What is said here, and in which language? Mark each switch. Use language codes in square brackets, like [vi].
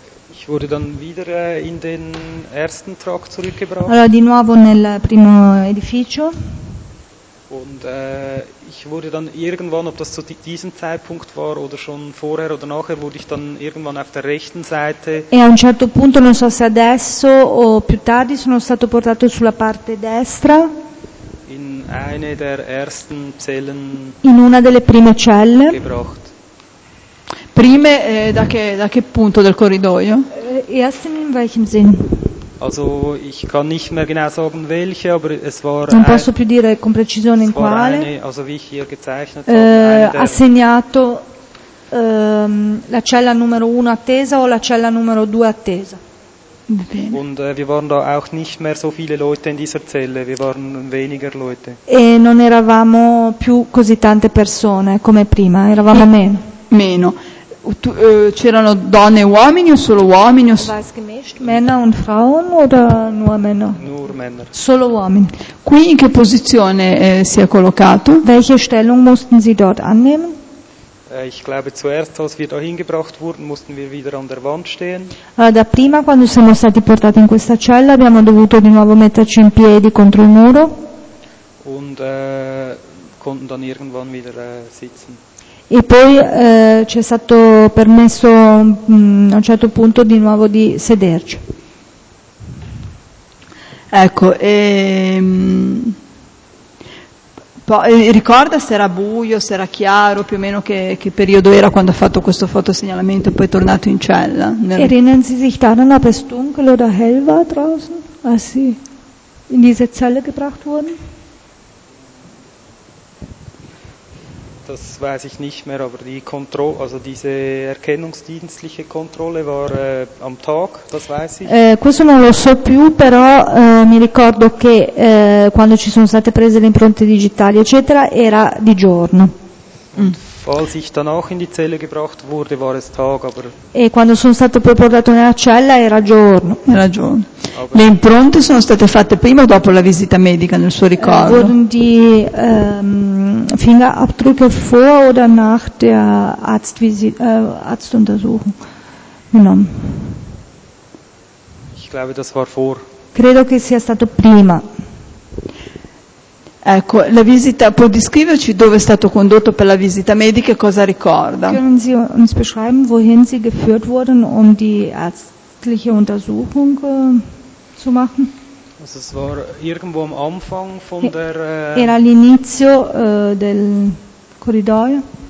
[de] Ich wurde dann wieder in den ersten Trakt zurückgebracht. [it] Allora di nuovo nel primo edificio. [de] Und ich wurde dann irgendwann, ob das zu diesem Zeitpunkt war oder schon vorher oder nachher, wurde ich dann irgendwann auf der rechten Seite. [it] E a un certo punto, non so se adesso o più tardi, sono stato portato sulla parte destra. [de] In eine der ersten Zellen. [it] In una delle prime celle. [de] Gebracht. [it] Prime da che punto del corridoio? [de] Ersten in welchem Sinn? Also ich kann nicht mehr genau sagen welche, aber es war [it] non posso più dire con precisione in quale. [de] Also wie ich hier gezeichnet [it] ha segnato la cella numero 1 attesa o la cella numero 2 attesa. [de] Und wir waren da auch nicht mehr so viele Leute in dieser Zelle, wir waren weniger Leute. [it] E non eravamo più così tante persone come prima, eravamo meno. Meno. C'erano donne e uomini o solo uomini? [de] Männer und Frauen oder nur Männer? Nur Männer. [it] Solo uomini. Qui in che posizione si è collocato? [de] Welche Stellung mussten Sie dort annehmen? Ich glaube zuerst, als wir da hingebracht wurden, mussten wir wieder an der Wand stehen. [it] Da prima, quando siamo stati portati in questa cella, abbiamo dovuto di nuovo metterci in piedi contro il muro. [de] Und konnten dann irgendwann wieder sitzen. [it] E poi ci è stato permesso a un certo punto di nuovo di sederci. Ecco, ricorda se era buio, se era chiaro, più o meno che periodo era quando ha fatto questo fotosegnalamento e poi è tornato in cella? [de] Erinnern Sie sich daran, ob es dunkel oder hell war draußen, als Sie in diese Zelle gebracht wurden? Das weiß ich nicht mehr, aber die Kontrolle, also diese erkennungsdienstliche Kontrolle war am Tag, das weiß ich. [it] Questo non lo so più, però mi ricordo che quando ci sono state prese le impronte digitali eccetera, era di giorno. [de] Falls ich dann auch in die Zelle gebracht wurde, war es Tag, aber. [it] E quando sono stato poi portato nella cella era giorno. Era giorno. Le impronte sono state fatte prima o dopo la visita medica, nel suo ricordo? [de] Wurden die Fingerabdrücke vor oder nach der Arztuntersuchung genommen? Ich glaube, das war vor. [it] Credo che sia stato prima. Ecco, la visita, può descriverci dove è stato condotto per la visita medica e cosa ricorda? [de] Können Sie uns beschreiben, wohin Sie geführt wurden, um die ärztliche Untersuchung zu machen? Also es war irgendwo am Anfang von der [it] Era all'inizio del corridoio.